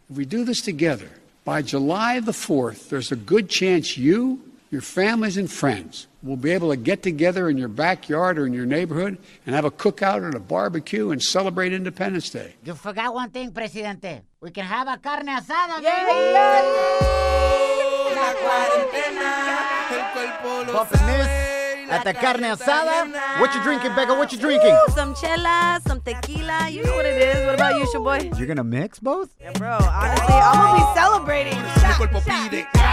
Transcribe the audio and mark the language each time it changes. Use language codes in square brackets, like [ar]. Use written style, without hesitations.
[en] If we do this together, by July the 4th, there's a good chance you, your families and friends will be able to get together in your backyard or in your neighborhood and have a cookout or a barbecue and celebrate Independence Day. You forgot one thing, Presidente. We can have a carne asada. Yay! [es] La cuarentena, el cuerpo lo sabe. [en] At the carne asada. What you drinking, Becca? What you drinking? Some chela, some tequila. You know what it is. What about you, Shaboy? You're going to mix both? Yeah, bro. Honestly, I'm going to be celebrating.